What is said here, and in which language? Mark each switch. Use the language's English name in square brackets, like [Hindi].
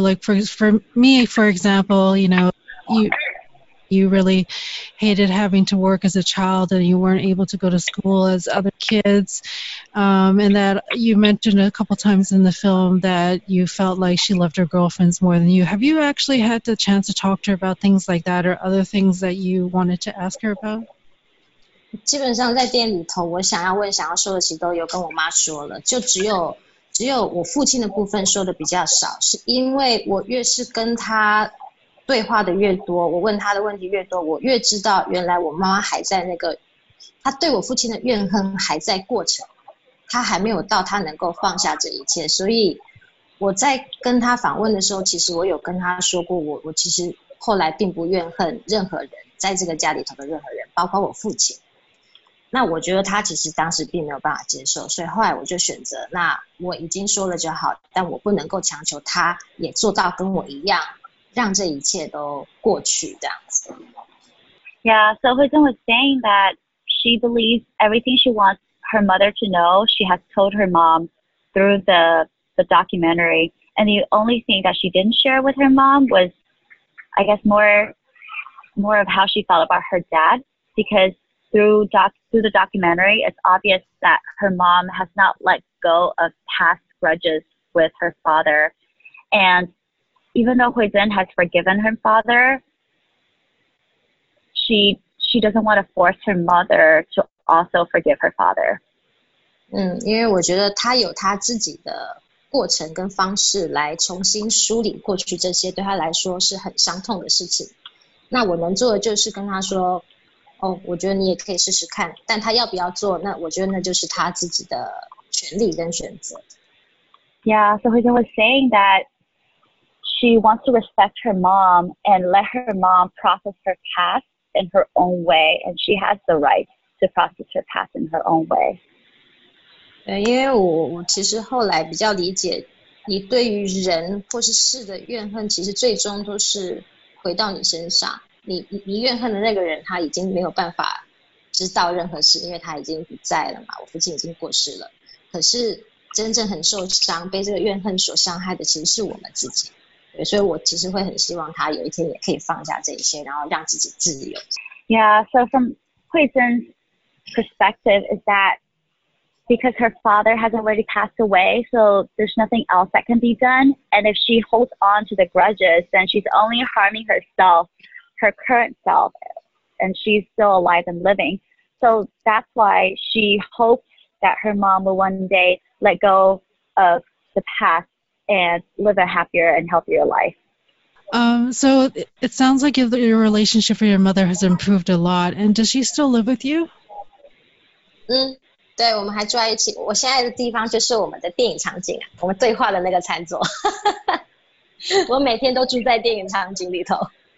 [English] Like for me, for example, you know, you really hated having to work as a child and you weren't able to go to school as other kids. And that you mentioned a couple times in the film that you felt like she loved her girlfriends more than you. Have you actually had the chance to talk to her about things like that or other things that you wanted to ask her about? [Chinese] 基本上在店里头我想要问想要说的其实都有跟我妈说了，就只有我父亲的部分说的比较少，是因为我越是跟他对话的越多，我问他的问题越多，我越知道原来我妈妈还在那个，他对我父亲的怨恨还在过程，他还没有到他能够放下这一切。所以我在跟他访问的时候，其实我有跟他说过我其实后来并不怨恨任何人，在这个家里头的任何人，包括我父亲。那我觉得他其实当时并没有办法接受，所以后来我就选择，那我已经说了就好，但我不能够强求他也做到跟我一样，让这一切都过去这样子。 [English] Yeah, so Huizhen was saying that she believes everything she wants her mother to know, she has told her mom through the documentary. And the only thing that she didn't share with her mom was, I guess, more of how she felt about her dad. Because through the documentary, it's obvious that her mom has not let go of past grudges with her father. And even though Huizhen has forgiven her father, she doesn't want to force her mother to also forgive her father. [Chinese] 嗯，因为我觉得她有她自己的过程跟方式来重新梳理过去这些对她来说是很伤痛的事情。那我能做的就是跟她说，哦，我觉得你也可以试试看，但她要不要做，那我觉得那就是她自己的权利跟选择。 [English] Yeah, so Huizhen was saying that she wants to respect her mom and let her mom process her past. In her own way, and she has the right to process her past in her own way. [Chinese] 因为我其实后来比较理解，你对于人或是事的怨恨，其实最终都是回到你身上。你怨恨的那个人，他已经没有办法知道任何事，因为他已经不在了嘛。我父亲已经过世了。可是真正很受伤、被这个怨恨所伤害的，其实是我们自己。所以我其实会很希望他有一天也可以放下这些，然后让自己自由。 [English] Yeah, so from Huizhen's perspective is that because her father has already passed away, so there's nothing else that can be done. And if she holds on to the grudges, then she's only harming herself, her current self, and she's still alive and living. So that's why she hopes that her mom will one day let go of the past. And live a happier and healthier life. So it sounds like your relationship with your mother has improved a lot. And does she still live with you? [Chinese] 嗯，对，我们还住在一起。我现在的地方就是我们的电影场景啊，我们对话的那个餐桌。我每天都住在电影场景里头。